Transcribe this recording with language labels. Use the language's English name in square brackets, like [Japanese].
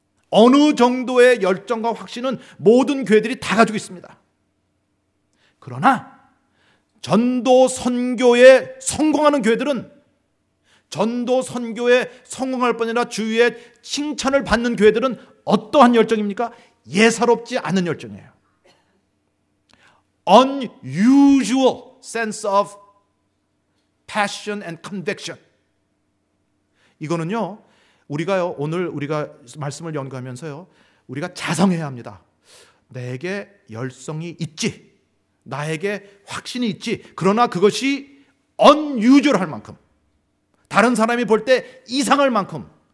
[Korean] 어느 정도의 열정과 확신은 모든 교회들이 다 가지고 있습니다. 그러나 전도 선교에 성공하는 교회들은 전도 선교에 성공할 뿐 아니라 주위에 칭찬을 받는 교회들은 어떠한 열정입니까? 예사롭지 않은 열정이에요. [English] Unusual sense of passion and conviction. [Korean] 이거는요, 우리가요, 오늘 우리가 말씀을 연구하면서요, 우리가 자성해야 합니다. 내게 열성이 있지. 나에게 확신이 있지. 그러나 그것이 unusual 할 만큼. 다른 사람이 볼 때 이상할 만큼.